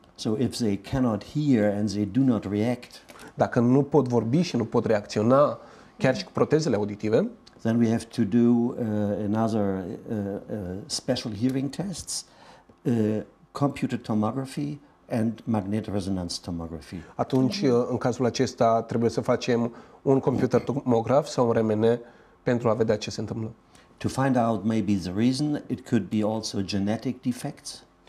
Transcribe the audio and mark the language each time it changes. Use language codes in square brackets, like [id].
[en] So if they cannot hear and they do not react. [ro] Dacă nu pot vorbi și nu pot reacționa, chiar și cu protezele auditive. [en] Then we have to do another special hearing tests, computer tomography and magnet resonance tomography. [ro] Atunci, în cazul acesta, trebuie să facem un computer tomograf sau un RMN pentru a vedea ce se întâmplă. [en] To find out maybe the reason, it could be also genetic defects.